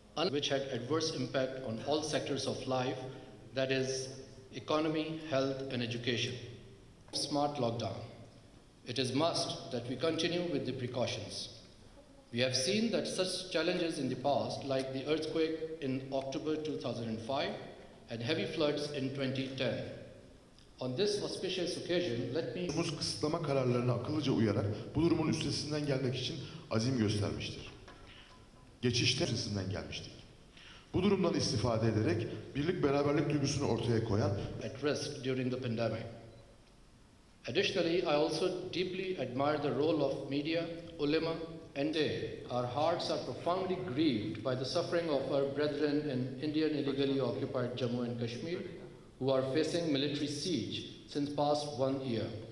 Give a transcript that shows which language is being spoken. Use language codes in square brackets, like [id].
[en] Which had adverse impact on all sectors of life, that is economy, health and education. Smart lockdown. It is must that we continue with the precautions. We have seen that such challenges in the past, like the earthquake in October 2005 and heavy floods in 2010. On this auspicious occasion, let me [tr] bu kısıtlama kararlarına akıllıca uyarak bu durumun üstesinden gelmek için azim göstermiştir. Geçişte üstesinden gelmiştik. Bu durumdan istifade ederek birlik beraberlik duygusunu ortaya koyan [en] at risk during the pandemic. Additionally, I also deeply admire the role of media, ulema and they. Our hearts are profoundly grieved by the suffering of our brethren in Indian illegally occupied Jammu and Kashmir who are facing military siege since past one year.